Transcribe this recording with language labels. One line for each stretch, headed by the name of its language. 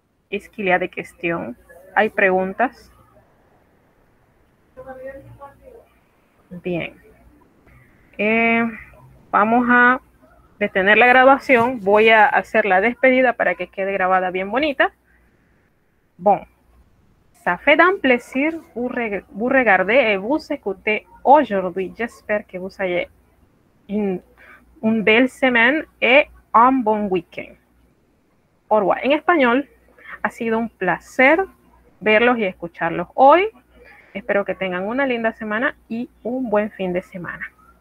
Spanish: Esquila de cuestión. ¿Hay preguntas? Bien. Vamos a detener la grabación. Voy a hacer la despedida para que quede grabada bien bonita.
French: Bon. Ça fait un plaisir vous regarder et vous écouter aujourd'hui. J'espère que vous ayez une belle semaine et un bon weekend. Au revoir.
Spanish: En español, ha sido un placer verlos y escucharlos hoy. Espero que tengan una linda semana y un buen fin de semana.